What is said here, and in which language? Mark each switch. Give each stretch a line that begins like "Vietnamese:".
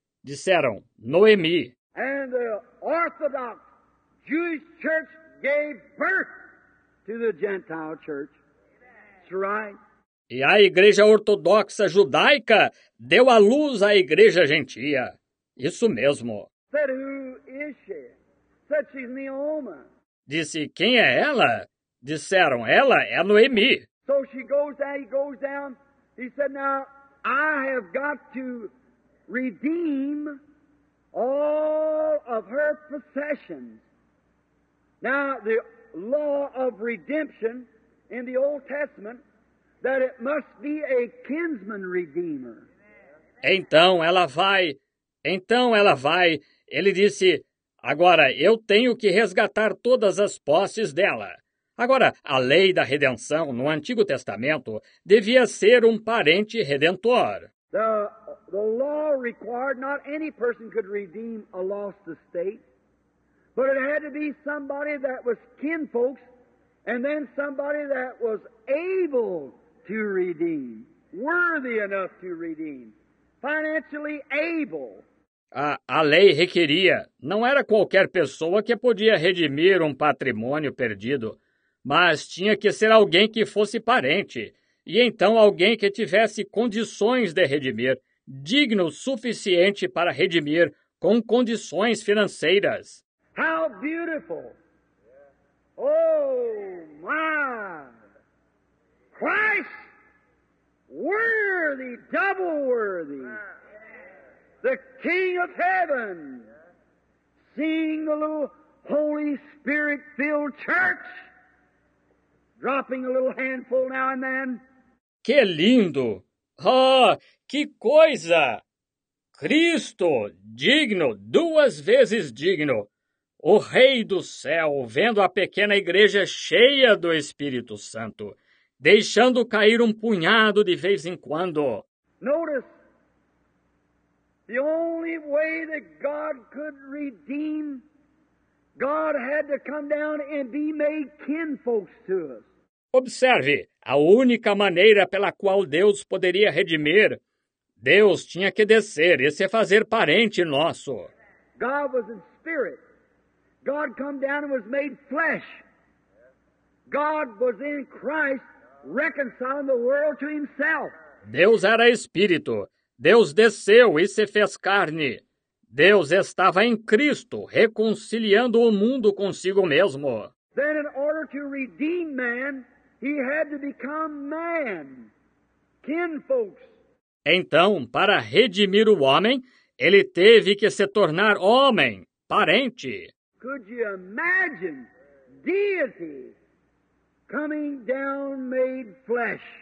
Portuguese: Disseram, Noemi.
English: And the Orthodox Jewish church gave birth to the Gentile church. That's right.
Portuguese: E a igreja ortodoxa judaica deu à luz à igreja gentia. Isso mesmo.
English: Said, who is she? Said, she's Naoma.
Portuguese: Disse, quem é ela? Disseram, ela é a Noemi.
English: So she goes down, he goes down. He said, now, I have got to redeem all of her possessions. Now, the law of redemption in the Old Testament, that it must be a kinsman redeemer.
Portuguese: Então ela vai, ele disse, agora, eu tenho que resgatar todas as posses dela. Agora, a lei da redenção no Antigo Testamento devia ser um parente redentor.
English: The law required not any person could redeem a lost estate, but it had to be somebody that was kinfolks and then somebody that was able to redeem, worthy enough to redeem, financially able.
Portuguese: A lei requeria, não era qualquer pessoa que podia redimir um patrimônio perdido, mas tinha que ser alguém que fosse parente, e então alguém que tivesse condições de redimir, digno o suficiente para redimir, com condições financeiras.
English: How beautiful! Oh, my! Christ! Worthy, double worthy! The King of Heaven, seeing the little Holy Spirit-filled church, dropping a little handful now and then.
Portuguese: Que lindo! Oh, que coisa! Cristo, digno, duas vezes digno. O Rei do Céu, vendo a pequena igreja cheia do Espírito Santo, deixando cair um punhado de vez em quando.
English: Notice! The only way that God could redeem, God had to come down and be made kinfolks to us.
Portuguese: Observe, a única maneira pela qual Deus poderia redimir, Deus tinha que descer e se fazer parente nosso.
English: God was in spirit. God come down and was made flesh. God was in Christ reconciling the world to himself.
Portuguese: Deus era espírito. Deus desceu e se fez carne. Deus estava em Cristo, reconciliando o mundo consigo mesmo.
English: Then in order to redeem man, he had to become man. Kinfolks.
Portuguese: Então, para redimir o homem, Ele teve que se tornar homem, parente.
English: Could you imagine deity coming down made flesh?